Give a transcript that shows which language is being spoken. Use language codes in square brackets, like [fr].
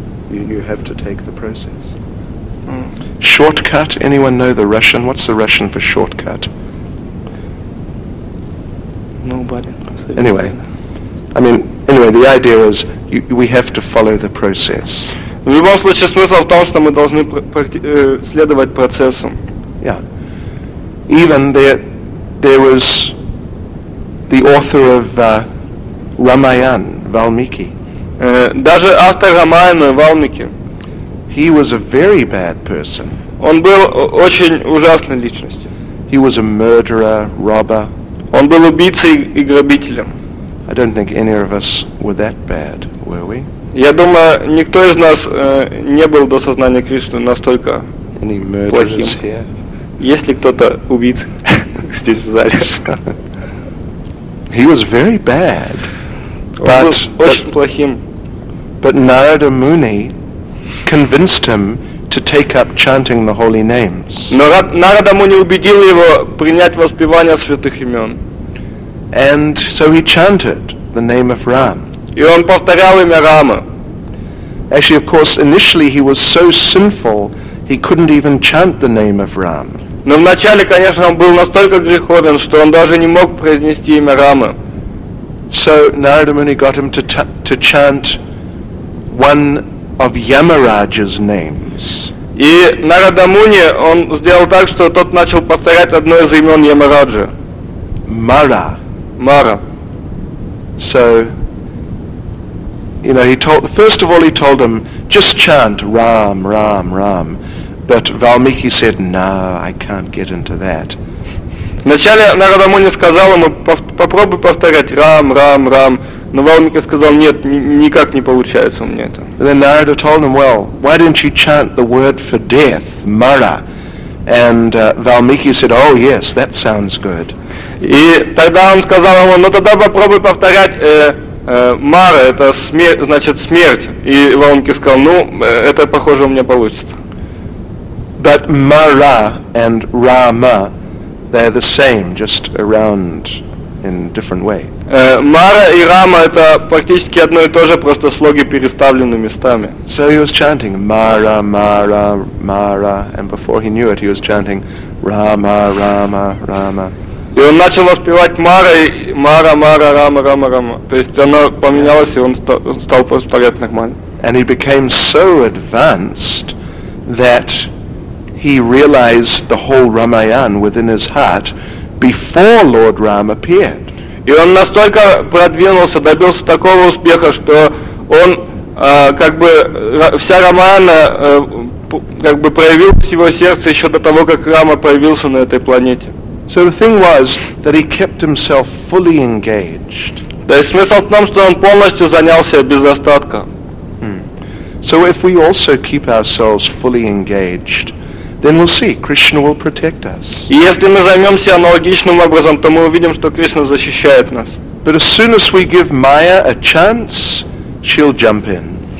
[en] You have to take the process. Shortcut, anyone know the Russian? What's the Russian for shortcut? Nobody. Anyway, I mean, anyway, the idea is we have to follow the process. [ru] В любом случае, смысл в том, что мы должны следовать процессам. Yeah. [en] Even there was the author of Ramayan, Valmiki. [ru] Даже автор Рамаяна Валмики. [en] He was a very bad person. [ru] Он был очень ужасной личностью. [en] He was a murderer, robber. [ru] Он был убийцей и грабителем. [en] I don't think any of us were that bad, were we? [ru] Я думаю, никто из нас не был до сознания Кришны настолько плохим. [en] Here? [ru] Есть ли кто-то убийц здесь в зале? [en] He was very bad. [ru] Он [en] but, [ru] был очень [en] but, [ru] плохим. [en] But Narada Muni convinced him to take up chanting the holy names. [ru] Но Нарада Муни убедил его принять воспевание святых имен. [en] And so he chanted the name of Ram. [ru] И он повторял имя Рама. [en] Actually, of course, initially he was so sinful he couldn't even chant the name of Ram. [ru] Но вначале, конечно, он был настолько греховен, что он даже не мог произнести имя Рама. [en] So Narada Muni got him to chant one of Yamaraja's names. [ru] И Нарада Муни, он сделал так, что тот начал повторять одно из имен Ямараджа. Мара. Мара. [en] So, you know, first of all he told him, just chant Ram, Ram, Ram. But Valmiki said, no, I can't get into that. [ru] Вначале Нарада Муни сказал ему, попробуй повторять Рам, Рам, Рам. Но Валмики сказал, нет, никак не получается у меня это. [en] Then Narada told him, well, why didn't you chant the word for death, Mara? And Valmiki said, oh yes, that sounds good. [ru] И тогда он сказал ему, ну тогда попробуй повторять Мара, это смерть, значит смерть. И Валмики сказал, ну, это похоже у меня получится. [en] But Mara and Rama, they're the same, just around in different way. [ru] Мара и Рама это практически одно и то же, просто слоги переставлены местами. [en] So he was chanting Mara, Mara, Mara, and before he knew it, he was chanting Rama, Rama, Rama. [ru] И он начал воспевать Мара и Мара, Мара, Рама, Рама, Рама. То есть оно поменялось, и он стал повторять нормально. [en] And he became so advanced that he realized the whole Ramayan within his heart before Lord Rama appeared. [ru] И он настолько продвинулся, добился такого успеха, что он как бы вся Рамаяна как бы проявилась в его сердце еще до того, как Рама появился на этой планете. [en] So the thing was that he kept himself fully engaged. [ru] То есть смысл в том, что он полностью занялся без остатка. [en] So if we also keep ourselves fully engaged, then we'll see Krishna will protect us. [ru] И если мы займемся аналогичным образом, то мы увидим, что Кришна защищает нас. [en] But as soon as we give Maya a chance, she'll jump in.